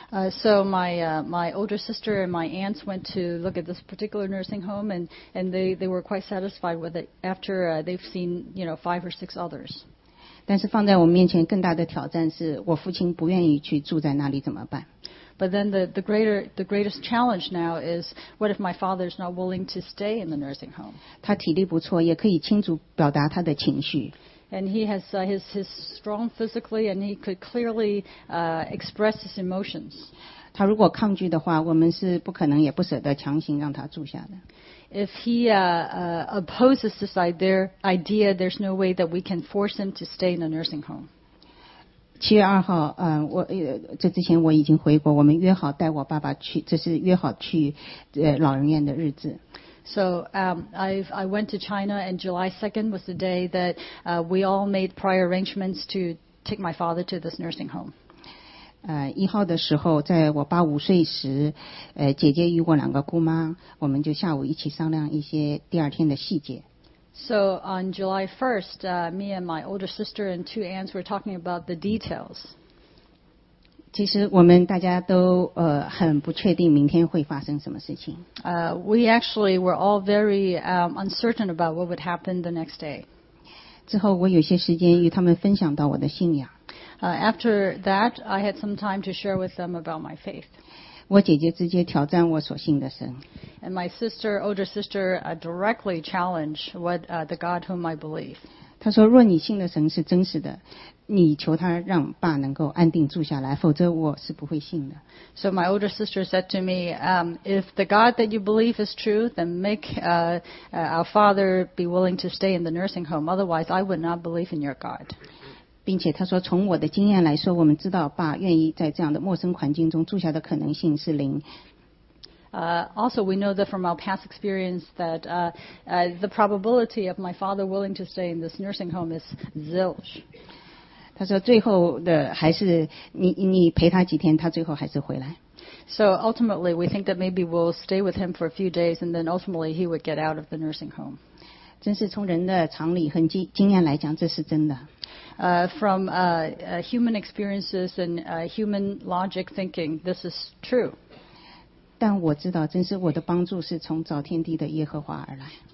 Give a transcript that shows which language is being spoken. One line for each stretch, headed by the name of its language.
English: So my older sister and my aunts went to look at this particular nursing home, and they were quite satisfied with it after they've seen, you know, five or six others.
Chinese: 但是放在我面前更大的挑战是我父亲不愿意去住在那里怎么办
English: But then the greatest challenge now is what if my father is not willing to stay in the nursing home?
Chinese: 他体力不错也可以清楚表达他的情绪
English: And he has his strong physically and he could clearly express his emotions.
Chinese: 他如果抗拒的话我们是不可能也不舍得强行让他住下的
English: if he opposes this idea, there's no way that we can force him to stay in a nursing home.
Chinese: 7月2号，我这之前我已经回国，我们约好带我爸爸去，这是约好去老人院的日子。
English: So I went to China, and July 2nd was the day that we all made prior arrangements to take my father to this nursing home.
Chinese: 1号的时候，在我爸五岁时，姐姐与我两个姑妈，我们就下午一起商量一些第二天的细节。
English: So on July 1st, me and my older sister and two aunts were talking about the details.
Chinese: 其实我们大家都很不确定明天会发生什么事情。
English: We actually were all very uncertain about what would happen the next day.
Chinese: 之后我有些时间与他们分享到我的信仰。
English: After that, I had some time to share with them about my faith.
Chinese: 我姐姐直接挑战我所信的神。
English: And my sister, older sister, directly challenged what the God whom I believe.
Chinese: 她说：“若你信的神是真实的，你求他让爸能够安定住下来，否则我是不会信的。”
English: So my older sister said to me, "If the God that you believe is true, then make our father be willing to stay in the nursing home. Otherwise, I would not believe in your God."
Chinese: 并且她说：“从我的经验来说，我们知道爸愿意在这样的陌生环境中住下的可能性是零。”
English: Also, we know that from our past experience that the probability of my father willing to stay in this nursing home is zilch.
Chinese: 他说最后的还是 你陪他几天，他最后还是回来。
English: So ultimately, we think that maybe we'll stay with him for a few days, and then ultimately he would get out of the nursing home.
Chinese: 真是从人的常理和经验来讲，这是真的。
English: From human experiences and human logic thinking, this is true.
Chinese: 但我知道，真是我的帮助是从造天地的耶和华而来。